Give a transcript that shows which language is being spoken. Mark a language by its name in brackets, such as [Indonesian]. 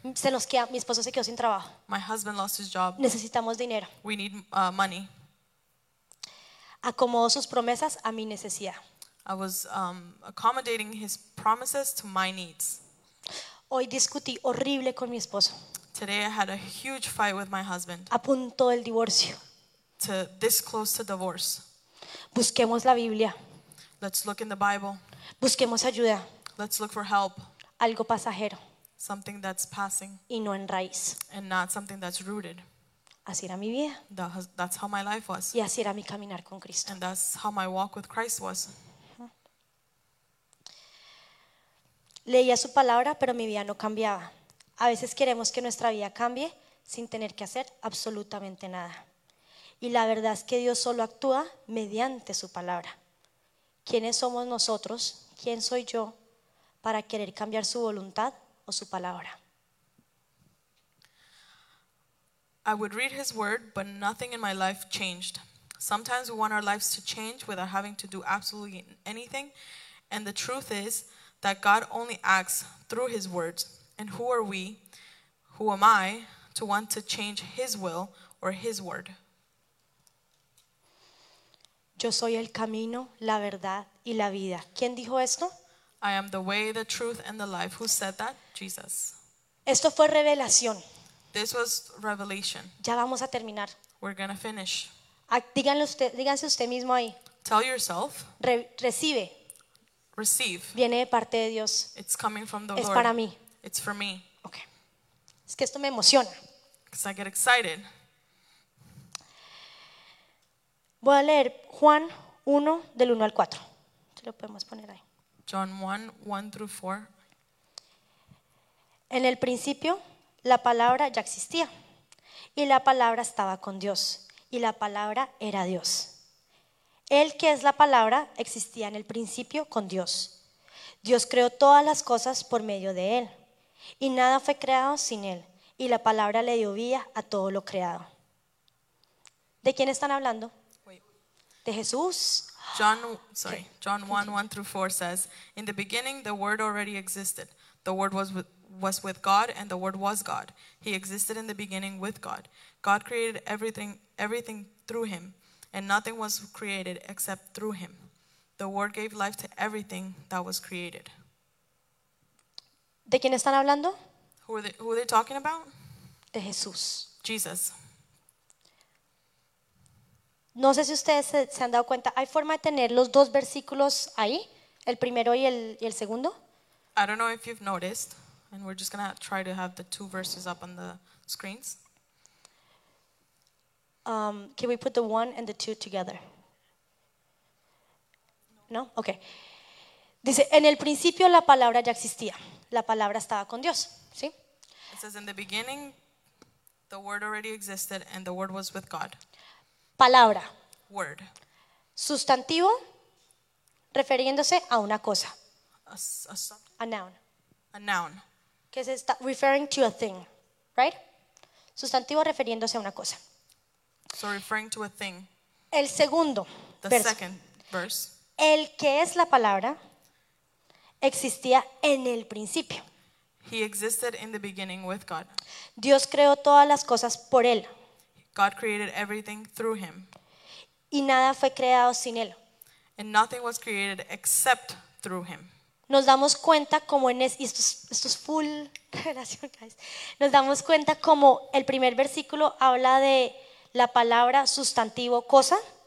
[Spanish] Se nos queda, mi esposo se quedó sin trabajo. [English] My husband lost his job. [Spanish] Necesitamos dinero. [English] We need money. [Spanish] Acomodo sus promesas a mi necesidad. [English] I was accommodating his promises to my needs. [Spanish] Hoy discutí horrible con mi esposo. [English] Today I had a huge fight with my husband. [Spanish] A punto del divorcio. [English] To this close to divorce. [Spanish] Busquemos la Biblia. [English] Let's look in the Bible. [Spanish] Busquemos ayuda. [English] Let's look for help. [Spanish] Algo pasajero. [English] something that's passing, [Spanish] y no en raíz. [English] And not something that's rooted. [Spanish] Así era mi vida. [English] That's how my life was. [Spanish] Y así era mi caminar con Cristo. [English] And that's how my walk with Christ was. [Spanish] Leía su palabra, pero mi vida no cambiaba. A veces queremos que nuestra vida cambie sin tener que hacer absolutamente nada. Y la verdad es que Dios solo actúa mediante su palabra. ¿Quiénes somos nosotros? ¿Quién soy yo para querer cambiar su voluntad o su palabra? [English] I would read his word, but nothing in my life changed. Sometimes we want our lives to change without having to do absolutely anything. And the truth is that God only acts through his words. And who are we, who am I, to want to change his will or his word? [Spanish] Yo soy el camino, la verdad y la vida. ¿Quién dijo esto? [English] I am the way, the truth, and the life. Who said that? Jesus. [Spanish] Esto fue revelación. [English] This was revelation. [Spanish] Ya vamos a terminar. [English] We're gonna finish. [Spanish] Díganse usted mismo ahí. [English] Tell yourself. [Spanish] Recibe. [English] Receive. [Spanish] Viene de parte de Dios. [English] It's coming from the [Spanish] es [English] Lord. [Spanish] Es para mí. [English] It's for me. [Spanish] Okay. Es que esto me emociona. [English] Because I get excited. [Spanish] Voy a leer Juan 1 del 1 al 4. Se lo podemos poner ahí. [English] John 1, 1 through 4. [Spanish] En el principio, la palabra ya existía. Y la palabra estaba con Dios. Y la palabra era Dios. Él, que es la palabra, existía en el principio con Dios. Dios creó todas las cosas por medio de Él. Y nada fue creado sin Él. Y la palabra le dio vida a todo lo creado. ¿De quién están hablando? De Jesús. [English] John 1, 1 through 4 says, in the beginning the word already existed. The word was with God, and the word was God. He existed in the beginning with God. God created everything through him, and nothing was created except through him. The word gave life to everything that was created. [Spanish] ¿De quién están hablando? [English] Who are they talking about? [Spanish] De Jesús. [English] Jesus. [Spanish] No sé si ustedes se han dado cuenta, ¿hay forma de tener los dos versículos ahí? El primero y el segundo. [English] I don't know if you've noticed, and we're just gonna try to have the two verses up on the screens. Can we put the one and the two together? No? Okay. [Spanish] Dice, en el principio la palabra ya existía. La palabra estaba con Dios, ¿sí? [English] It says, in the beginning, the word already existed, and the word was with God. [Spanish] Palabra. [English] Word. [Spanish] Sustantivo, refiriéndose a una cosa. [English] A noun. A noun. [Spanish] Que es esta, [English] referring to a thing, right? [Spanish] Sustantivo refiriéndose a una cosa. [English] So referring to a thing. [Spanish] El segundo. [English] The verso. Second verse. [Spanish] El que es la palabra existía en el principio. [English] He existed in the beginning with God. [Spanish] Dios creó todas las cosas por él. [English] God created everything through him. [Spanish] Y nada fue creado sin él. [English] And nothing was created except through him. [Spanish] Nos damos cuenta como en esto es full relación, guys. Nos damos cuenta como el primer versículo habla de la palabra sustantivo cosa.